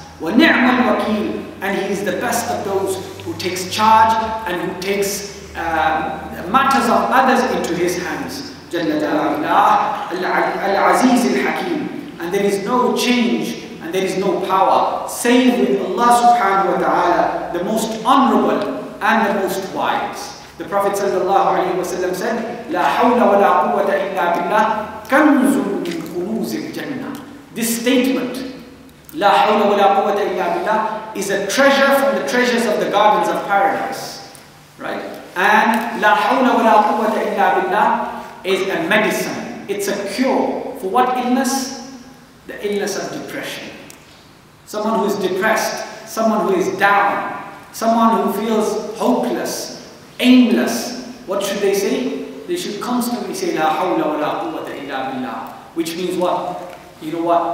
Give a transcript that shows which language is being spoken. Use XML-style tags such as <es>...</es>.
<en>وَنِعْمَ الْوَكِيلُ, and he is the best of those who takes charge and who takes matters of others into his hands.</en> <ar>جَلَّ الْعَزِيزِ الْحَكِيمِ.</ar> <en>And there is no change and there is no power save with Allah subhanahu wa ta'ala, the most honorable and the most wise.</en> <ar>The Prophet صلى الله عليه وسلم said, لا حول ولا قوة إلا بالله كنز من كنوز الجنة.</ar> <en>This statement, لا حول ولا قوة إلا بالله, is a treasure from the treasures of the gardens of paradise. Right? And لا حول ولا قوة إلا بالله is a medicine. It's a cure for what illness? The illness of depression. Someone who is depressed, someone who is down, someone who feels hopeless, aimless, what should they say? They should constantly say لا حول ولا قوة إلا بالله, which means what? You know what?</en>